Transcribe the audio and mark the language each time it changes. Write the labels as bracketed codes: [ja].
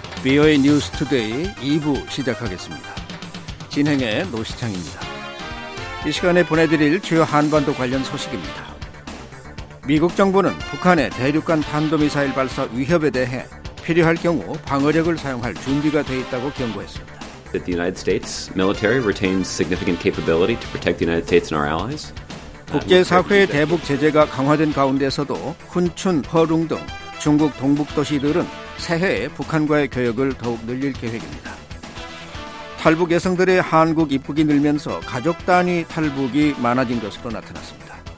[ko] BOA 뉴스 투데이 2부 시작하겠습니다. 진행의 노시창입니다. 이 시간에 보내드릴 주요 한반도 관련 소식입니다. 미국 정부는 북한의 대륙간 탄도미사일 발사 위협에 대해 필요할 경우 방어력을 사용할 준비가 되어 있다고 경고했습니다. [en] That the United States military retains significant capability to protect the United States and our allies. [ko] 국제사회의 대북 제재가 강화된 가운데서도 훈춘, 허룽 등 중국 동북 도시들은 새해에 북한과의 교역을 더욱 늘릴 계획입니다. 탈북 여성들의 한국 입국이 늘면서 가족 단위 탈북이 많아진 것으로 나타났습니다.